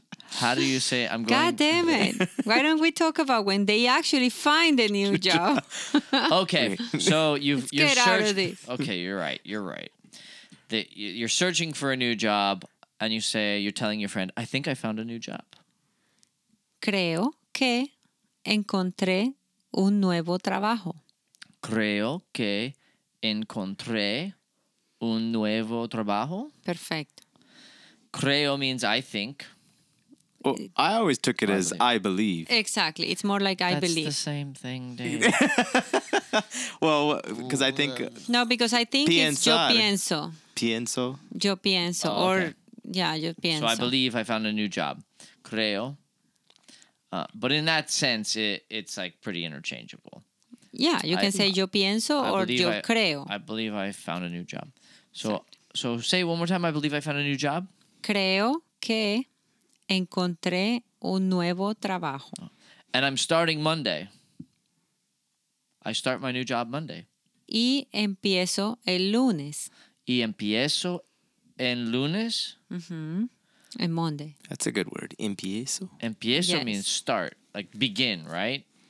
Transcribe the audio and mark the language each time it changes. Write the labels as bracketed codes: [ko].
[en] How do you say I'm going? God damn it. Why don't we talk about when they actually find a new job? Okay. So you're searching. Get out of this. Okay. You're right. You're searching for a new job and you're telling your friend, I think I found a new job. [es] Creo que encontré un nuevo trabajo. Creo que encontré un nuevo trabajo. [en] Perfect. Creo means I think. Well, I always took it as I believe. Exactly. It's more like I believe. That's the same thing, Dave. Well, because I think... No, because I think it's [es] yo pienso. Pienso? Yo pienso. [en] Oh, okay. Or, yeah, [es] yo pienso. [en] So I believe I found a new job. Creo. But in that sense, it's like pretty interchangeable. Yeah, you can say [es] yo pienso [en] or [es] yo creo. [en] I believe I found a new job. So say one more time, I believe I found a new job. [es] Creo que encontré un nuevo trabajo. [en] And I'm starting Monday. I start my new job Monday. [es] Y empiezo el lunes. Y empiezo en lunes. [en] Mm-hmm. En Monday. That's a good word. Empiezo. [es] Empiezo, yes. [en] Means start, like begin, right?